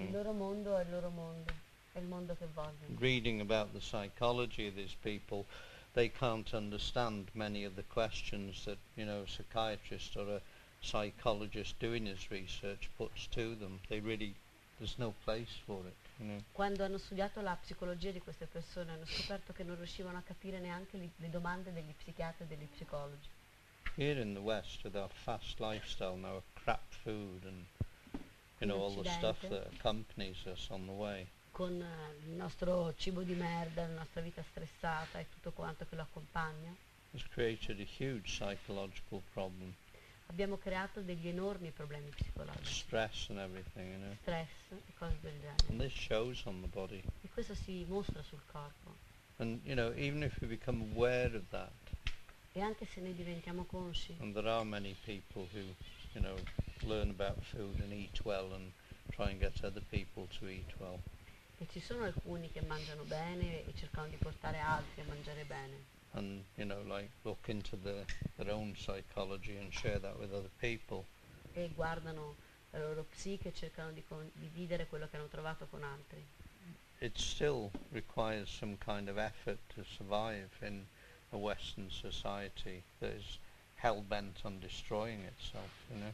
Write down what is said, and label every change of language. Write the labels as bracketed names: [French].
[Italian] Il loro mondo è il loro mondo. È il mondo che vogliono. [English] Reading about the psychology of these people, they can't understand many of the questions that, you know, a psychiatrist or a psychologist doing his research puts to them. They really, there's no place for it, you know. [Italian] Quando hanno studiato la psicologia di queste persone, hanno scoperto che non riuscivano a capire neanche le domande degli psichiatri e degli psicologi. [English] Here in the West, with our fast lifestyle, now crap food and, you know, all the stuff that accompanies us on the way. [Italian] Con il nostro cibo di merda, la nostra vita stressata e tutto quanto che lo accompagna. [English] It's created a huge psychological problem. [Italian] Abbiamo creato degli enormi problemi psicologici. [English] Stress and everything, you know. [Italian] Stress e cose del genere. [English] And this shows on the body. [Italian] E questo si mostra sul corpo. [English] And, you know, even if we become aware of that. [Italian] E anche se ne diventiamo consci. [English] And there are many people who, you know, learn about food and eat well and try and get other people to eat well. [Italian] E ci sono alcuni che mangiano bene e cercano di portare altri a mangiare bene. [English] And, you know, like look into their own psychology and share that with other people. [Italian] E guardano la loro psiche e cercano di condividere quello che hanno trovato con altri. [English] It still requires some kind of effort to survive in a Western society that is hell bent on destroying itself, you know.